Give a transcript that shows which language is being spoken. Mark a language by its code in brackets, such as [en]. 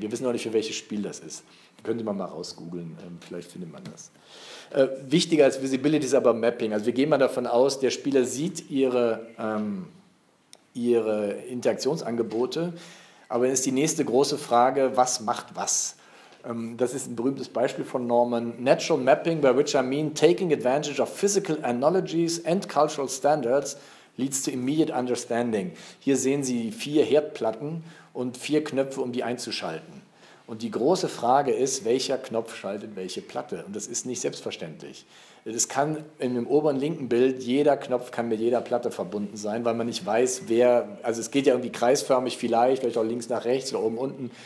[de] Wir wissen auch nicht, für welches Spiel das ist. Könnte man mal rausgoogeln, vielleicht findet man das. Wichtiger als Visibility ist aber Mapping. Also wir gehen mal davon aus, der Spieler sieht ihre Interaktionsangebote, aber dann ist die nächste große Frage, was macht was? Das ist ein berühmtes Beispiel von Norman. [en] Natural Mapping, by which I mean taking advantage of physical analogies and cultural standards, leads to immediate understanding. [de] Hier sehen Sie vier Herdplatten und vier Knöpfe, um die einzuschalten. Und die große Frage ist, welcher Knopf schaltet welche Platte? Und das ist nicht selbstverständlich. Das kann in dem oberen linken Bild, jeder Knopf kann mit jeder Platte verbunden sein, weil man nicht weiß, wer, also es geht ja irgendwie kreisförmig vielleicht, vielleicht auch links nach rechts oder oben unten.